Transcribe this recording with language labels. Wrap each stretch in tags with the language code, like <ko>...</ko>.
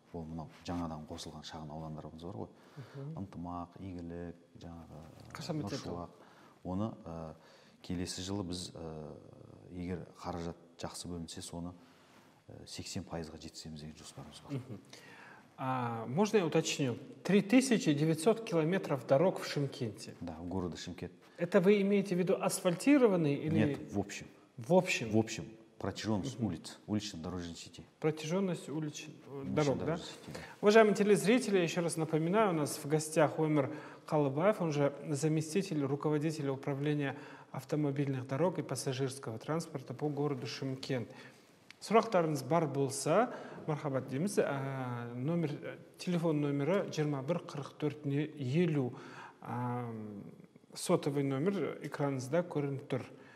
<kk>ол мынау жаңадан қосылған шағын аудандарымыз бар ғой. Ынтымақ, Игілік, Нұршуақ. Оны келесі жылы біз егер қаражат жақсы бөлінсе, соны 80%-ға жеткіземіз деген жоспарымыз бар.</kk> <ru>Можно я уточню? 3900 километров дорог в Шымкенте. Да, в городе Шымкент. Это вы имеете в виду асфальтированный или... Нет, в общем. В общем? В общем. Протяженность улиц, уличной дорожной сети. Протяженность улич... дорог, да? Сети, да? Уважаемые телезрители, еще раз напоминаю, у нас в гостях Омер Калыбаев, он же заместитель руководителя управления автомобильных дорог и пассажирского транспорта по городу Шымкент.</ru> <kk>Сұрақтарыңыз бар болса, мархабат дейміз, номер, телефон номері 21-44-50,</kk> <ru>сотовый номер</ru> <kk>экраныңызда көрініп тұр.</kk>